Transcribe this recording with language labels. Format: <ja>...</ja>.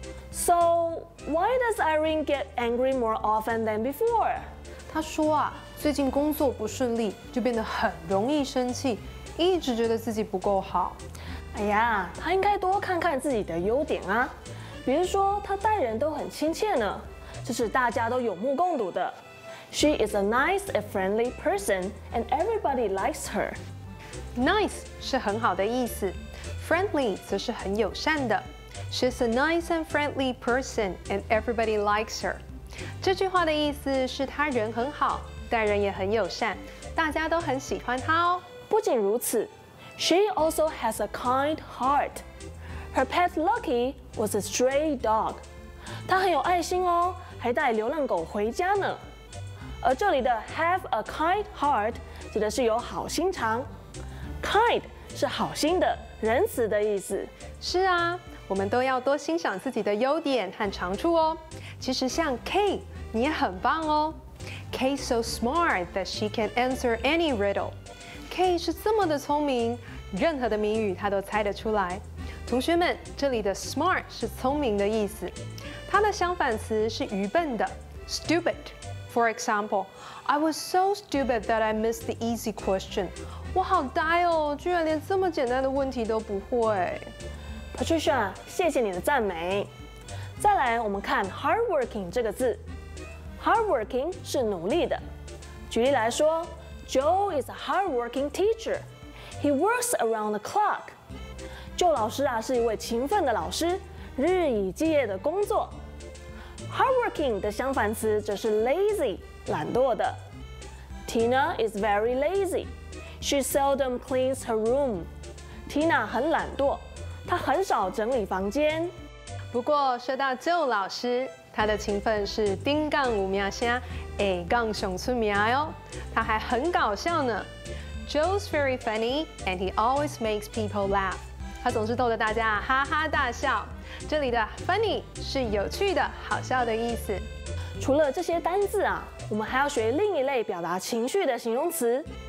<en>So, why does Irene get angry more often than before?</en> <zh>她说啊，最近工作不顺利，就变得很容易生气，一直觉得自己不够好。哎呀，她应该多看看自己的优点啊。比如说，她待人都很亲切呢，这是大家都有目共睹的。</zh> <en>She is a nice and friendly person, and everybody likes her.</en> <zh>Nice 是很好的意思， friendly 则是很友善的。</zh> <en>She's a nice and friendly person, and everybody likes her.</en> <zh>这句话的意思是她人很好，待人也很友善，大家都很喜欢她哦。不仅如此，</zh> <en>She also has a kind heart. Her pet Lucky was a stray dog.</en> <zh>她很有爱心哦，还带流浪狗回家呢。而这里的</zh> <en>have a kind heart</en> <zh>指的是有好心肠。 Kind 是好心的，仁慈的意思。是啊，我们都要多欣赏自己的优点和长处哦。其实像 Kay 你也很棒哦。</zh> <en>Kay's so smart that she can answer any riddle.</en> <zh>Kay 是这么的聪明，任何的谜语她都猜得出来。同学们，这里的 smart 是聪明的意思，它的相反词是愚笨的， stupid。</zh> <en>For example, I was so stupid that I missed the easy question.</en> <zh>我好呆哦，居然连这么简单的问题都不会。 Patricia, 谢谢你的赞美。再来，我们看 hardworking 这个字。</zh> <en>Hardworking</en> <zh>是努力的。举例来说，</zh> <en>Joe is a hardworking teacher. He works around the clock.</en> <zh>Joe 老师啊，是一位勤奋的老师，日以继夜的工作。 Hardworking 的相反词则是 lazy, 懒惰的。</zh> <en>Tina is very lazy. She seldom cleans her room.</en> <zh>Tina 很懒惰，她很少整理房间。不过说到 Joe 老师，他的勤奋是丁杠五名声 A 杠熊村名哦，他还很搞笑呢。</zh> <en>Joe's very funny and he always makes people laugh.</en> <zh>他总是逗得大家哈哈大笑。这里的 funny 是有趣的、好笑的意思。除了这些单字啊，我们还要学另一类表达情绪的形容词。</zh>